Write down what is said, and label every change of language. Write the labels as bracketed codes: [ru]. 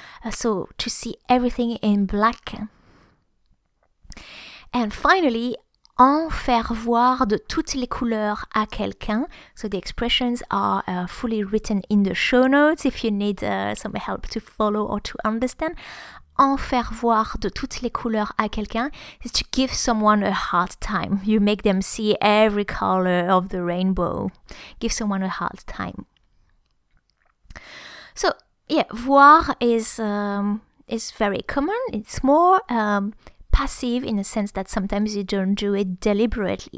[en] So to see everything in black. And finally, [fr] en faire voir de toutes les couleurs à quelqu'un. [en] So the expressions are fully written in the show notes if you need some help to follow or to understand. [fr] En faire voir de toutes les couleurs à quelqu'un [en] is to give someone a hard time. You make them see every color of the rainbow. Give someone a hard time. So, yeah, voir is very common. It's more passive in the sense that sometimes you don't do it deliberately.